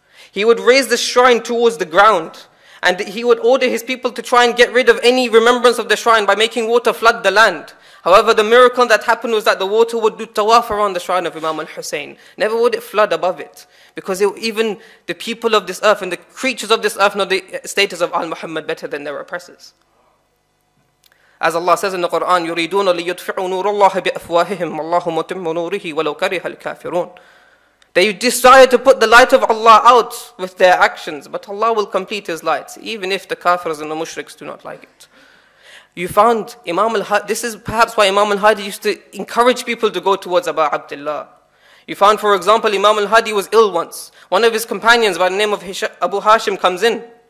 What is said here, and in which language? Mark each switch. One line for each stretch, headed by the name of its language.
English: He would raise the shrine towards the ground. And he would order his people to try and get rid of any remembrance of the shrine by making water flood the land. However, the miracle that happened was that the water would do tawaf around the shrine of Imam al-Husayn. Never would it flood above it. Because even the people of this earth and the creatures of this earth know the status of Al-Muhammad better than their oppressors. As Allah says in the Quran,
Arabic: يُرِيدُونَ لِيُدْفِعُوا نُورَ اللَّهِ بِأَفْوَاهِهِمْ وَاللَّهُ مُتِمُّ نُورِهِ وَلَوْ كَرِهَ الْكَافِرُونَ.
English: They desire to put the light of Allah out with their actions, but Allah will complete His light, even if the kafirs and the mushriks do not like it. You found Imam al-Hadi, this is perhaps why Imam al-Hadi used to encourage people to go towards Aba Abdullah. You found, for example, Imam al-Hadi was ill once. One of his companions by the name of Abu Hashim comes in.